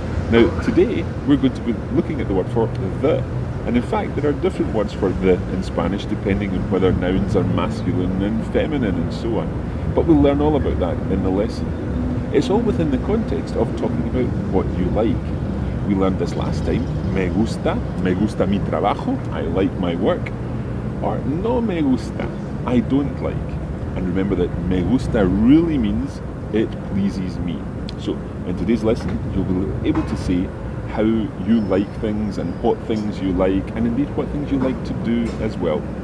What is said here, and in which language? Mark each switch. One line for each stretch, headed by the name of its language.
English: Now, today we're going to be looking at the word for the. And in fact, there are different words for the in Spanish, depending on whether nouns are masculine and feminine and so on. But we'll learn all about that in the lesson. It's all within the context of talking about what you like. We learned this last time.
Spanish: Me gusta mi trabajo,
English: I like my work. Or
Spanish: no me gusta,
English: I don't like. And remember that
Spanish: me gusta
English: really means it pleases me. So in today's lesson, you'll be able to say how you like things and what things you like and indeed what things you like to do as well.